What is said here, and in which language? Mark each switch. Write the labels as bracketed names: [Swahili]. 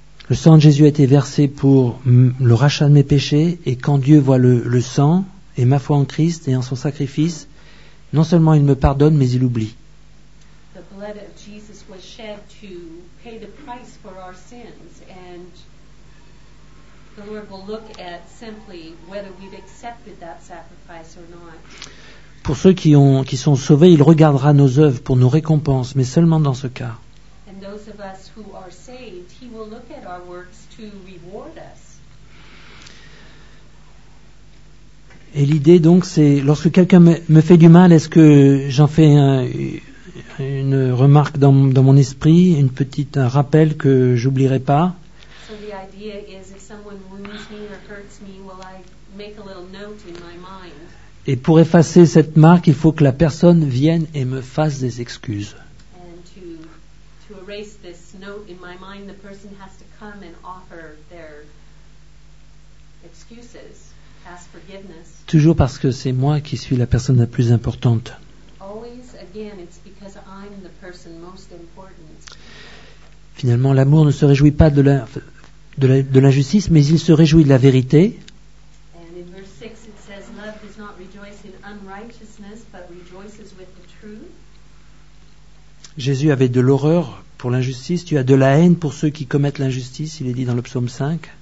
[French] Le sang de Jésus a été versé pour le rachat de mes péchés, et quand Dieu voit le sang et ma foi en Christ et en son sacrifice, non seulement il me pardonne, mais il oublie. [English] The blood of Jesus was shed to pay the price for our sins, and the Lord will look at simply whether we've accepted that sacrifice or not. [French] Pour ceux qui sont sauvés, il regardera nos œuvres pour nos récompenses, mais seulement dans ce cas. [English] And those of us who are saved, he will look at our works to reward us. [French] Et l'idée donc, c'est lorsque quelqu'un me fait du mal, est-ce que j'en fais une remarque dans mon esprit, un rappel que j'oublierai pas. [English] So the idea is if someone wounds me or hurts me, will I make a little note in my mind? [French] Et pour effacer cette marque, il faut que la personne vienne et me fasse des excuses. [English] And to erase this note in my mind, the person has to come and offer their excuses. Ask forgiveness. [French] Toujours parce que c'est moi qui suis la personne la plus importante. [English] Always, again, it's because I'm the person most important. [French] Finalement, l'amour ne se réjouit pas de l'injustice, mais il se réjouit de la vérité. [English] And in verse 6, it says, love does not rejoice in unrighteousness, but rejoices with the truth. [French] Jésus avait de l'horreur pour l'injustice, tu as de la haine pour ceux qui commettent l'injustice, il est dit dans le psaume 5.